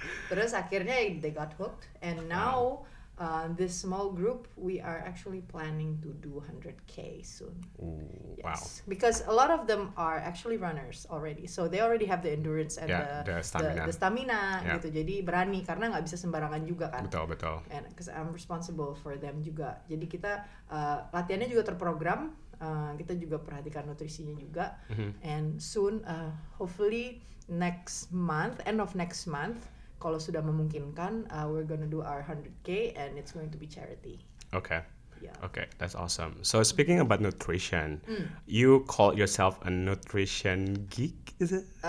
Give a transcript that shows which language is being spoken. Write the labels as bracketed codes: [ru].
[id] Terus akhirnya [en] they got hooked, and now this small group, we are actually planning to do 100K soon. Ooh, yes. Wow. Because a lot of them are actually runners already. So they already have the endurance and the stamina. Yeah. Gitu. [id] Jadi berani, karena nggak bisa sembarangan juga kan. Betul, betul. [en] And because I'm responsible for them juga. [id] Jadi kita latihannya juga terprogram. Kita juga perhatikan nutrisinya juga. Mm-hmm. [en] And soon, hopefully next month, end of next month, [id] kalau sudah memungkinkan, [en] we're gonna do our 100K, and it's going to be charity. Okay. Yeah. Okay, that's awesome. So speaking about nutrition, you call yourself a nutrition geek, is it?